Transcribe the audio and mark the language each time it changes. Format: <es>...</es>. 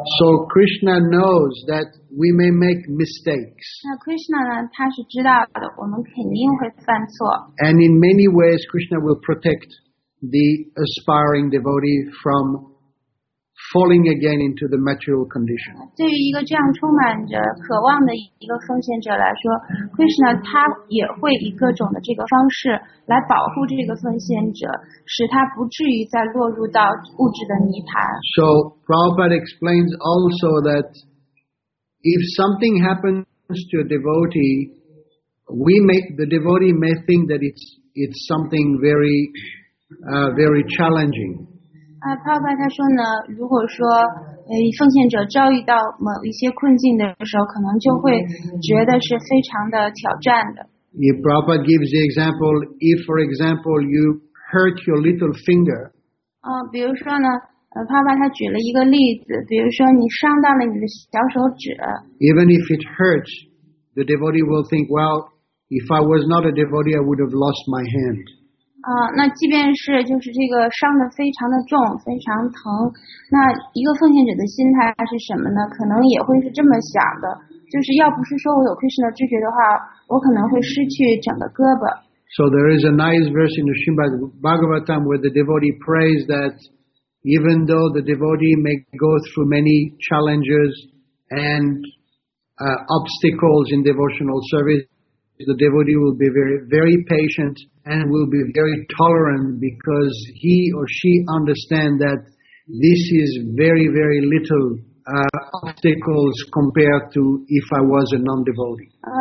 <en>So Krishna knows that we may make mistakes.</en> <zh>那 Krishna 呢，他是知道的，我们肯定会犯错。</zh> <en>And in many ways, Krishna will protect the aspiring devotee from falling again into the material condition.</en> <zh>对于一个这样充满着渴望的一个奉献者来说， Krishna 他也会以各种的这个方式来保护这个奉献者，使他不至于再落入到物质的泥潭。</zh> <en>So Prabhupada explains also that if something happens to a devotee, the devotee may think that it's something very challenging.</en> <zh>Prabhupada 他说呢，如果说奉献者遭遇到某一些困境的时候，可能就会觉得是非常的挑战的。</zh> <en>If Prabhupada gives the example, if for example you hurt your little finger.</en> <zh>比如说呢，Prabhupada 他举了一个例子，比如说你伤到了你的小手指。</zh> <en>Even if it hurts, the devotee will think, well, if I was not a devotee, I would have lost my hand.</en> <zh>那即便是就是这个伤得非常的重，非常疼，那一个奉献者的心态是什么呢？可能也会是这么想的，就是要不是说我有 Krishna 知觉的话，我可能会失去整个胳膊。</zh> <en>So there is a nice verse in the Srimad Bhagavatam where the devotee prays that even though the devotee may go through many challenges and obstacles in devotional service, the devotee will be very, very patient and will be very tolerant because he or she understands that this is very, very little obstacles compared to if I was a non-devotee.</en>